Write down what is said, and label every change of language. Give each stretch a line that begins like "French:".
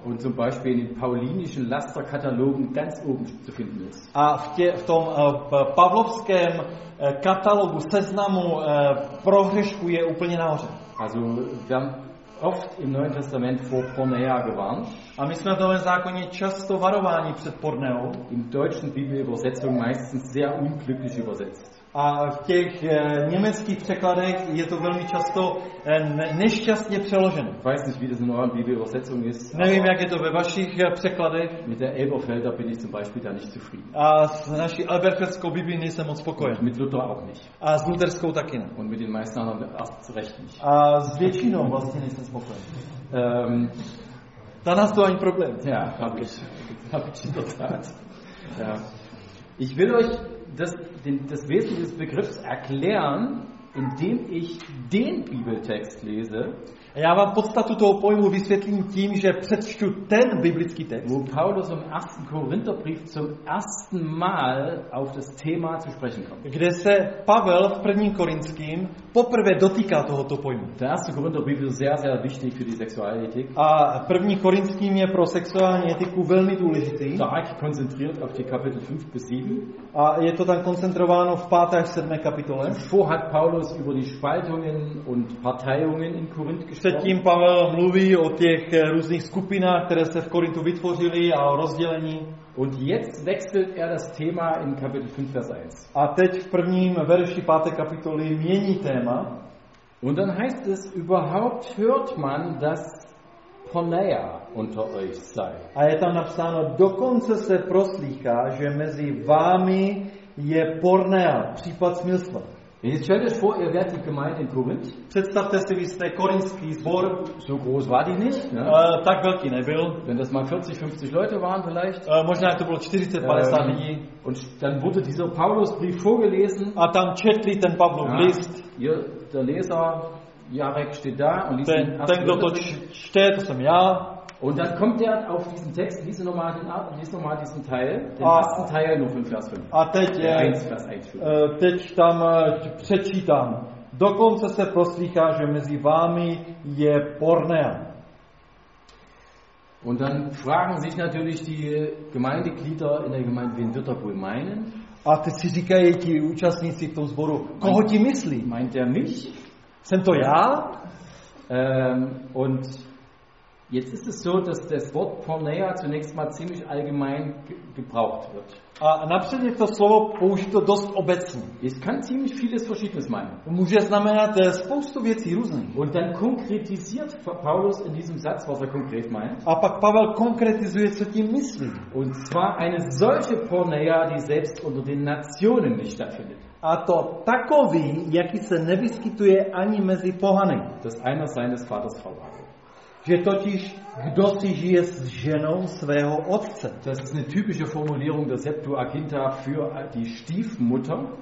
German: Und zum Beispiel in den paulinischen Lasterkatalogen ganz oben zu finden ist.
Czech: A v tom pavlovském katalogu seznamu prohřešku je úplně nahoře.
German: Also dann oft im Neuen Testament vor Porneia gewarnt.
Czech: A my jsme v Novém zákoně často varováni před Porneou.
German: In deutschen Bibelübersetzungen meistens sehr unglücklich übersetzt.
Czech: A v těch německých překladech je to velmi často nešťastně přeloženo.
German: Weiß nicht, wie das in euren Bibelübersetzungen ist.
Czech: Nevím, jak je to ve vašich překladech.
German: Mit der Elberfelder bin ich zum Beispiel da nicht zufrieden.
Czech: A s naší Elberfelskou Biblií nejsem moc spokojen.
German: Mit Luther auch nicht.
Czech: A s Lutherskou taky ne.
German: Und mit den meisten anderen erst recht nicht.
Czech: A s většinou vlastně nejsem spokojen.
German: Dann hast du ein Problem. Ja, hab ich in der Tat. Ja. Ich will euch das Wesen des Begriffs erklären, indem ich den Bibeltext lese.
Czech: Já vám podstatu toho pojmu vysvětlím tím, že přečtu ten biblický text.
German: Wo Paulus im 1. Korintherbrief zum ersten Mal auf das Thema zu sprechen kommt.
Czech: Kde se Pavel v 1. Korintským poprvé dotýká tohoto pojmu.
German: Der 1. Korintherbrief ist sehr, sehr wichtig für die Sexualethik.
Czech: A 1. Korintským je pro sexuální etiku velmi důležitý.
German: Stark konzentriert auf die Kapitel 5 bis 7.
Czech: A je to tam koncentrováno v 5. až 7. kapitole.
German: Wo hat Paulus über die Spaltungen und Parteiungen in Korinth.
Czech: Předtím Pavel mluví o těch různých skupinách, které se v Korintu vytvořily a o rozdělení.
German: Und jetzt wechselt das Thema in Kapitel 5 Vers 1.
Czech: A teď v prvním verši 5. kapitoly mění téma.
German: Und dann heißt es überhaupt hört man, dass Porneia unter euch sei.
Czech: A je tam napsáno, dokonce se proslýchá, že mezi vámi je Porneia, případ smilstva.
German: Jetzt stellt euch vor, ihr wärt die Gemeinde in Korinth.
Czech: Představte si,
German: wie es der
Czech: Korinthski zbor.
German: So groß war die nicht. Ne?
Czech: Tak velký nebyl.
German: Wenn das mal 40-50 Leute waren vielleicht.
Czech: Možná to bylo 40-50 lidí.
German: Und dann wurde dieser Paulusbrief vorgelesen.
Czech: A tam četli ten Pavlov list.
German: Ja, der Leser, Jarek, steht da. Und liest
Czech: ten, kdo to čte, to jsem já.
German: Und dann kommt er auf diesen Text, liest nochmal diesen Teil, den ersten Teil nur von Vers 5.
Czech: A teď,
German: ja, 1, Vers 1.
Czech: Teď tam přečítám. Dokonce se proslýchá, že mezi vámi je Porneia.
German: Und dann fragen sich natürlich die Gemeindeglieder in der Gemeinde, wen wird er wohl meinen?
Czech: A teď si říkají ti účastníci v tom sboru, koho ti myslí?
German: Meint er mich?
Czech: Jsem to já?
German: Und jetzt ist es so, dass das Wort Porneia zunächst mal ziemlich allgemein gebraucht wird.
Czech: A napřed je to slovo použito dost obecně.
German: Es kann ziemlich vieles verschiedenes meinen.
Czech: Může znamenat spoustu věcí různých.
German: Und dann konkretisiert Paulus in diesem Satz, was er konkret meint.
Czech: A pak Pavel konkretizuje, co tím myslí.
German: Und zwar eine solche Porneia, die selbst unter den Nationen nicht stattfindet.
Czech: A to takový, jaký se nevyskytuje ani mezi pohany.
German: Das einer seines Vaters Frau war.
Czech: Že totiž, kdo si žije s ženou svého otce.
German: Das ist eine typische Formulierung der Septuaginta für die Stiefmutter.